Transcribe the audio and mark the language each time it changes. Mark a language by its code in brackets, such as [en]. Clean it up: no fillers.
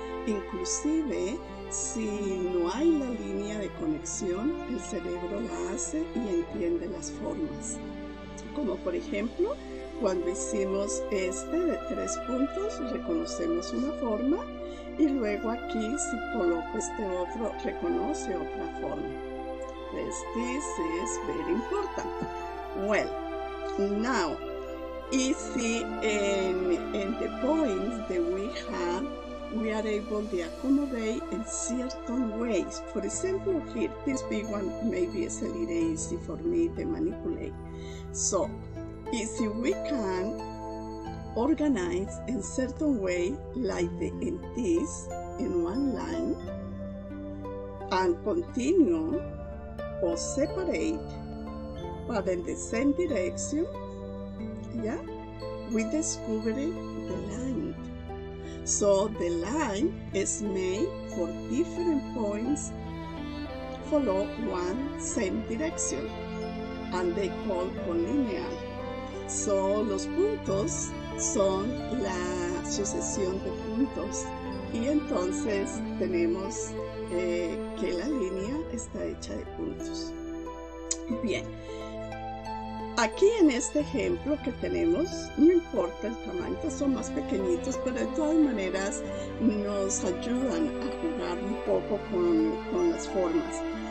[es] Inclusive, si no hay la línea de conexión, el cerebro la hace y entiende las formas. Como por ejemplo, cuando hicimos este de tres puntos, reconocemos una forma, y luego aquí, si coloco este otro, reconoce otra forma. [en] Pues, this is very important. Well, now, easy in the points that we have, we are able to accommodate in certain ways. For example, here, this big one, maybe it's a little easy for me to manipulate. So, easy, we can organize in certain way, like the in this, in one line, and continue or separate, but in the same direction, yeah, we discover the line. So the line is made for different points follow one same direction, and they call collinear. [es] So los puntos son la sucesión de puntos, y entonces tenemos que la línea está hecha de puntos. Bien. Aquí en este ejemplo que tenemos, no importa el tamaño, son más pequeñitos, pero de todas maneras nos ayudan a jugar un poco con las formas.